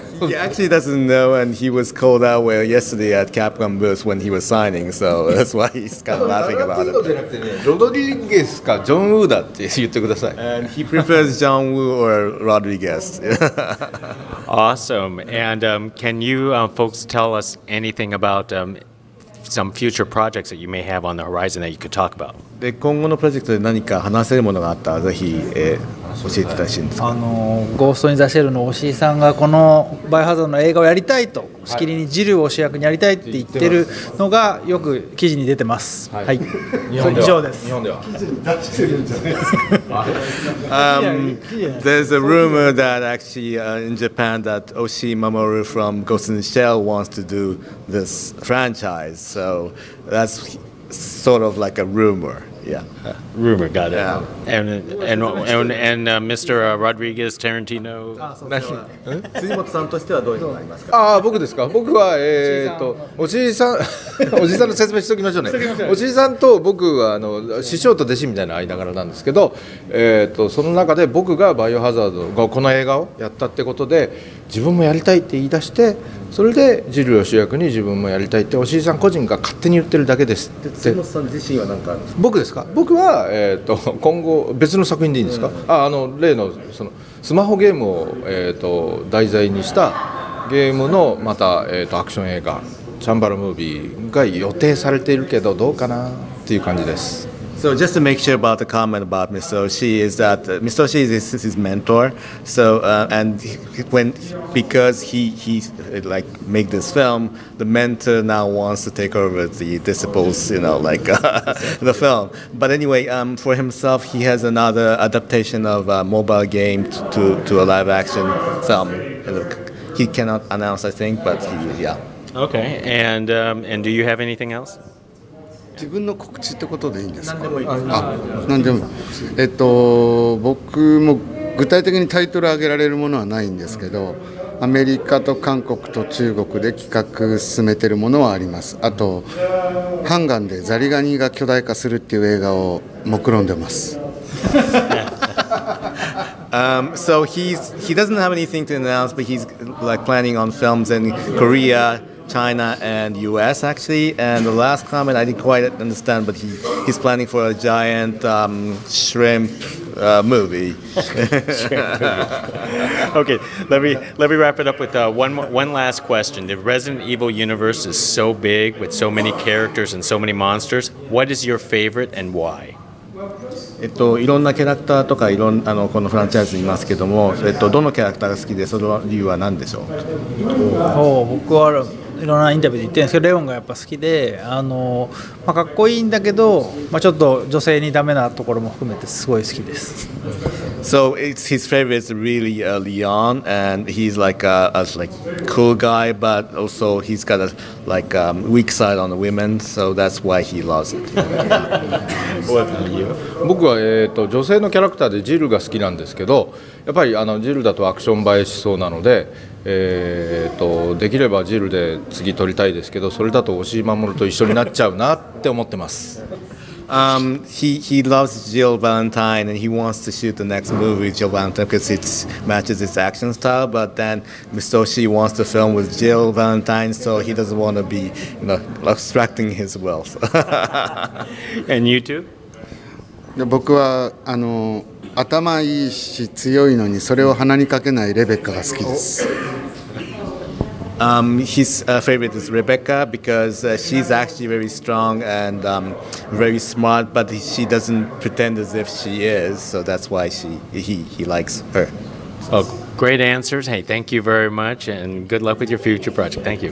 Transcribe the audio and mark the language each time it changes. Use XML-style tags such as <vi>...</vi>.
<en>He actually doesn't know, and he was called out yesterday at Capcom booth when he was signing, so that's why he's kind of laughing about it. Rodriguez or John Woo, please. And he prefers John Woo or Rodriguez. Awesome. And can you folks tell us anything about some future projects that you may have on the horizon that you could talk about?</en> <ja>で今後のプロジェクトで何か話せるものがあったらぜひ、教えていただきたいんですか。あのゴーストインザシェルの押井さんがこのバイオハザードの映画をやりたいと、しきりにジルを主役にやりたいって言ってるのがよく記事に出てます。はい、以上です。日本では記事出してるんじゃないですか。</ja> <en>There's a rumor that actually in Japan that Oshii Mamoru from Ghost in the Shell wants to do this franchise, so that'sSort of like a rumor, yeah. Rumor, got it. Yeah. And Mr. Rodriguez Tarantino.</en> <ja>Tsujimoto-san としてはどういうことになりますか。ああ、僕ですか。僕はおじいさん、おじいさんの説明しておきましょうね。おじいさんと僕はあの師匠と弟子みたいな間柄なんですけど、その中で僕がバイオハザードがこの映画をやったってことで自分もやりたいって言い出して。それでジルを主役に自分もやりたいっておしりさん個人が勝手に言ってるだけですって。辻本さん自身は何かあるんですか。僕ですか。僕は、今後別の作品でいいんですか、うん、あの例 の, そのスマホゲームを、題材にしたゲームのまた、アクション映画チャンバラムービーが予定されているけどどうかなっていう感じです。</ja> <en>So just to make sure about the comment about Mr. Oshii is that Mr. Oshii is his mentor, so and whenBecause he like make this film, the mentor now wants to take over the disciples, you know, like the film. But anyway, for himself, he has another adaptation of a mobile game to a live action film. He cannot announce, I think, but he, yeah. Okay, and do you have anything else?</en> <ja>自分の告知ってことでいいんですか。何でもいいです。僕も具体的にタイトル上げられるものはないんですけど、アメリカと韓国と中国で企画進めてるものはあります。あとハンガンでザリガニが巨大化するっていう映画を目論んでます。</ja> <en>So he doesn't have anything to announce, but he's like planning on films in KoreaChina and US actually, and the last comment I didn't quite understand, but he's planning for a giant shrimp movie. Okay, let me wrap it up with one last question. The Resident Evil universe is so big with so many characters and so many monsters. What is your favorite and why?</en> <ja>いろんなキャラクターとかいろんなこのフランチャイズにいますけども、どのキャラクターが好きでその理由は何でしょう。僕はいろんなインタビューで言ってるんですけど、レオンがやっぱ好きで、まあ、かっこいいんだけど、まあ、ちょっと女性にダメなところも含めてすごい好きです。</ja> <en>So it's his favorite is really Leon, and he's like a like cool guy, but also he's got a like weak side on the women, so that's why he loves it.</en> <ja>僕は女性のキャラクターでジルが好きなんですけど、やっぱりジルだとアクション映えしそうなので、できればジルで次撮りたいですけど、それだと押井守と一緒になっちゃうなって思ってます。</ja> <en>He loves Jill Valentine and he wants to shoot the next movie with Jill Valentine because it matches his action style. But then Mr. Oshii wants to film with Jill Valentine, so he doesn't want to be, you know, obstructing his will. So. And you too?</en> <ja>僕は頭いいし強いのにそれを鼻にかけないレベッカが好きです。</ja> <en>His favorite is Rebecca because she's actually very strong and very smart, but she doesn't pretend as if she is, so that's why he likes her. Oh, great answers. Hey, thank you very much, and good luck with your future project. Thank you.</en>